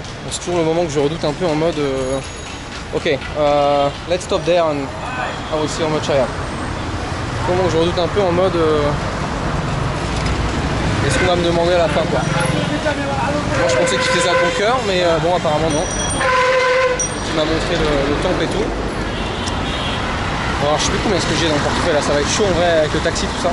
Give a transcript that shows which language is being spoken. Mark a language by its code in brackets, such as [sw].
[fr] C'est toujours le moment que je redoute un peu en mode. [en] Okay, let's stop there and I will see how much I have. [fr] Comment je redoute un peu en mode. Est-ce qu'on va me demander à la fin quoi? Moi je pensais qu'il faisait à bon cœur, mais bon apparemment non. Il m'a montré le temple et tout. Bon, alors je sais plus combien est-ce que j'ai dans le portefeuille là, ça va être chaud en vrai avec le taxi tout ça.